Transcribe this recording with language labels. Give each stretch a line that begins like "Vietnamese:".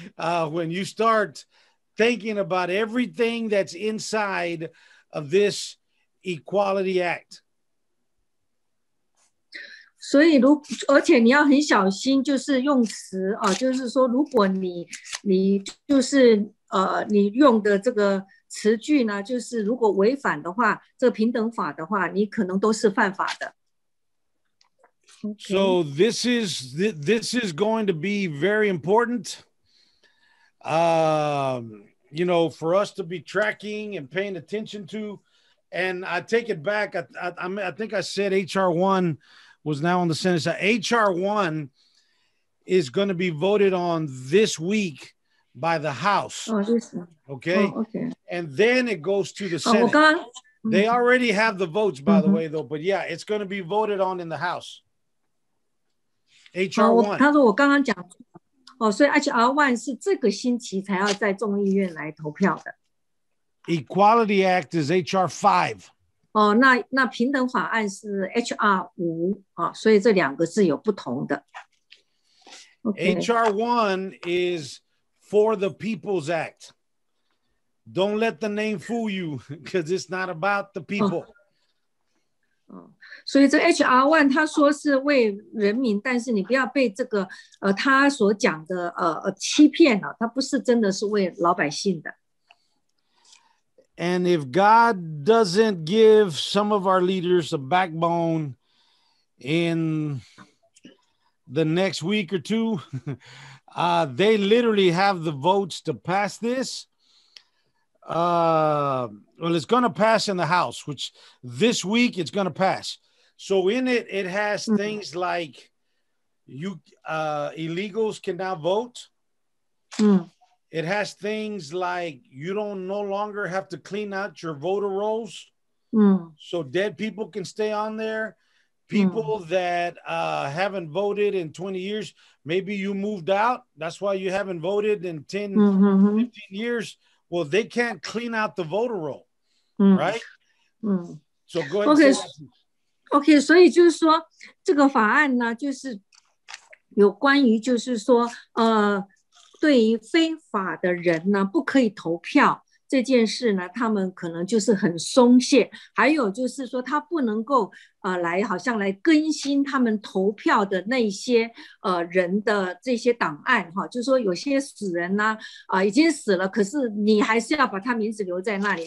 English: When you start thinking about everything that's inside of this Equality Act.
Chinese: 所以而且你要很小心就是用词啊就是说如果你就是你用的这个词句呢就是如果违反的话这个平等法的话你可能都是犯法的。
English: So this is going to be very important, you know, for us to be tracking and paying attention to. And I take it back, I think I said HR1. Was now on the Senate side. HR1 is going to be voted on this week by the House. Oh, this one. Okay. Oh, okay. And then it goes to the Senate.
Chinese: Oh, 我刚
English: They already have the votes, by the way, though. But yeah, it's going to be voted on in the House. H.R. 1.
Chinese: 他说我刚刚讲哦，所以 H.R. 1是这个星期才要在众议院来投票的。
English: Equality Act is H.R. 5.
Chinese: 哦，那平等法案是 H.R. 5. 哦，所以这两个是有不同的。
English: Okay. H.R. 1 is for the People's Act. Don't let the name fool you, because it's not about the people. 所以这 HR1 他说是为人民，但是你不要被这个他所讲的欺骗了，他不是真的是为老百姓的。 And if God doesn't give some of our leaders a backbone in the next week or two, they literally have the votes to pass this. Well, it's going to pass in the House, which this week it's going to pass. So in it, it has things like illegals can now vote. It has things like you don't no longer have to clean out your voter rolls. So dead people can stay on there. People that haven't voted in 20 years, maybe you moved out. That's why you haven't voted in 10, 15 years. Well, they can't clean out the voter roll, right? So go ahead.
Chinese: Okay, 所以就是说这个法案呢，就是有关于就是说对于非法的人呢不可以投票这件事呢，他们可能就是很松懈。还有就是说他不能够来好像来更新他们投票的那些人的这些档案哈，就是说有些死人呢已经死了，可是你还是要把他名字留在那里。